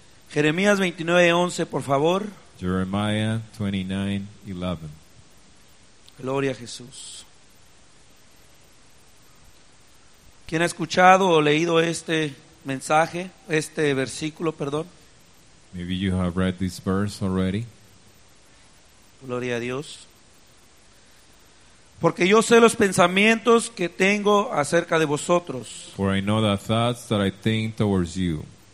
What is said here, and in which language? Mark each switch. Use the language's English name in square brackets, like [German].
[Spanish] Jeremías 29:11, por favor. [English] Jeremiah 29:11. [Spanish] Gloria a Jesús. ¿Quién ha escuchado o leído este mensaje, este versículo, perdón? [English] Maybe you have read this verse already. [Spanish] Gloria a Dios. Porque yo sé los pensamientos que tengo acerca de vosotros. [English] For I know the thoughts that I think towards you.